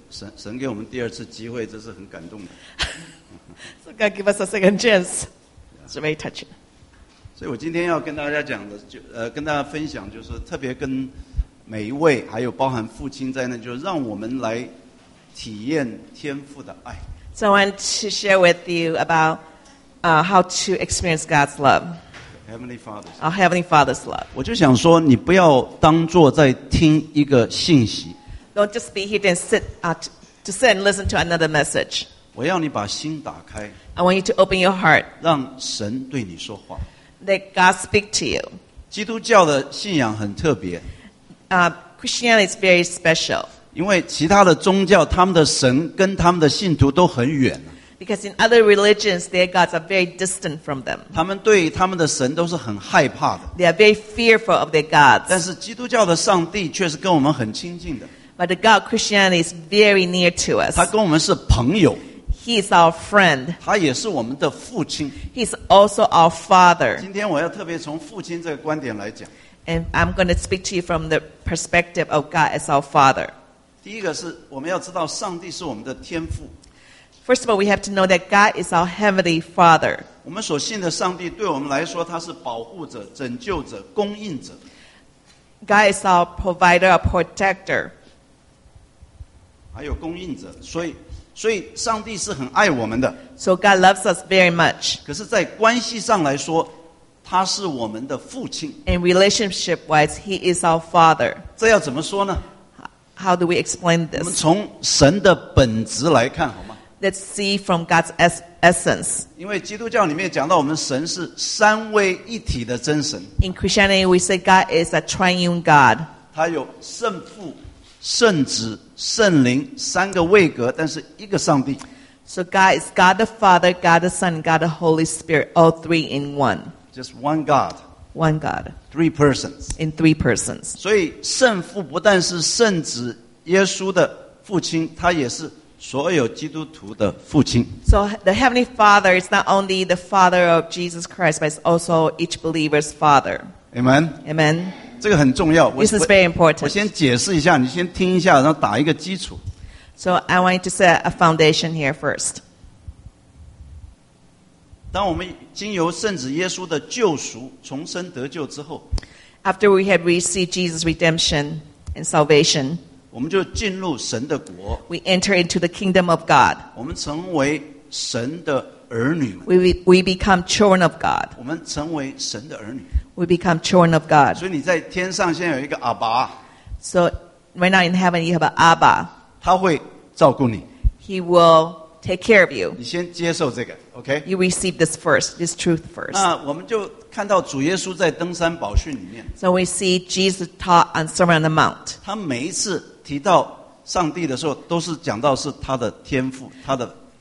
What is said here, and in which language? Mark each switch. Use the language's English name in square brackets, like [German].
[Chinese] 所以神给我们第二次机会，这是很感动的。 [English] So God give us a second chance. It's very touching. [Chinese] 所以我今天要跟大家讲的，跟大家分享，就是特别跟每一位，还有包含父亲在内，就让我们来体验天父的爱。 [English] So I want to share with you about how to experience God's love. Heavenly Father's. Our Heavenly Father's love. [Chinese] 我就想说，你不要当作在听一个信息。 [English] Don't just be here and sit and listen to another message. [Chinese] 我要你把心打开。 [English] I want you to open your heart. [Chinese] 让神对你说话。 [English] Let God speak to you. [Chinese] 基督教的信仰很特别。 [English] Christianity is very special. [Chinese] 因为其他的宗教，他们的神跟他们的信徒都很远。 [English] Because in other religions, their gods are very distant from them. [Chinese] 他们对他们的神都是很害怕的。 [English] They are very fearful of their gods. [Chinese] 但是基督教的上帝却是跟我们很亲近的。 [English] But the God of Christianity is very near to us. [Chinese] 他跟我们是朋友。 [English] He is our friend. [Chinese] 他也是我们的父亲。 [English] He is also our father. [Chinese] 今天我要特别从父亲这个观点来讲。 [English] And I'm going to speak to you from the perspective of God as our father. [Chinese] 第一个是我们要知道上帝是我们的天父。 [English] First of all, we have to know that God is our heavenly Father. [Chinese] 我们所信的上帝对我们来说，他是保护者、拯救者、供应者。 [English] God is our provider, our protector. [Chinese] 还有供应者，所以上帝是很爱我们的。 [English] So God loves us very much. [Chinese] 可是，在关系上来说，他是我们的父亲。 [English] In relationship wise, He is our Father. [Chinese] 这要怎么说呢？ [English] How do we explain this? [Chinese] 我们从神的本质来看，好吗？ [English] Let's see from God's essence. [Chinese] 因为基督教里面讲到我们神是三位一体的真神。 [English] In Christianity, we say God is a triune God. [Chinese] 他有圣父、圣子、圣灵三个位格，但是一个上帝。 [English] So God is God the Father, God the Son, God the Holy Spirit, all three in one. Just one God. One God. Three persons. In three persons. [Chinese] 所以圣父不但是圣子耶稣的父亲，他也是所有基督徒的父亲。 [English] So the Heavenly Father is not only the Father of Jesus Christ, but it's also each believer's Father. Amen. Amen. [Chinese] 这个很重要。 [English] This is very important. [Chinese] 我先解释一下，你先听一下，然后打一个基础。 [English] So I want you to set a foundation here first. [Chinese] 当我们经由圣子耶稣的救赎重生得救之后， [English] After we had received Jesus' redemption and salvation, [Chinese] 我们就进入神的国。 [English] We enter into the kingdom of God. [Chinese] 我们成为神的儿女。 [English] We become children of God. [Chinese] 我们成为神的儿女。 [English] We become children of God. [Chinese] 所以你在天上现在有一个阿爸。 [English] So right now in heaven you have an Abba. [Chinese] 他会照顾你。 [English] He will take care of you. [Chinese] 你先接受这个, okay? [English] You receive this first, this truth first. [Chinese] 那我们就看到主耶稣在登山宝训里面。 [English] So we see Jesus taught on Sermon on the Mount. [Chinese] 他每一次提到上帝的时候都是讲到是他的天父, 他的